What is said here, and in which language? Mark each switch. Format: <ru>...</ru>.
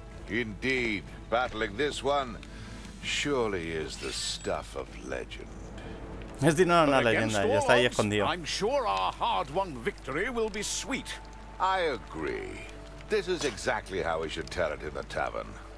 <en>Indeed, battling this one surely is the stuff of legend.</en> <es>Es de una leyenda, ya está ahí escondido.</es> <en>I'm sure our hard-won victory will be sweet. I agree. This is exactly how we should tell it in the tavern.</en>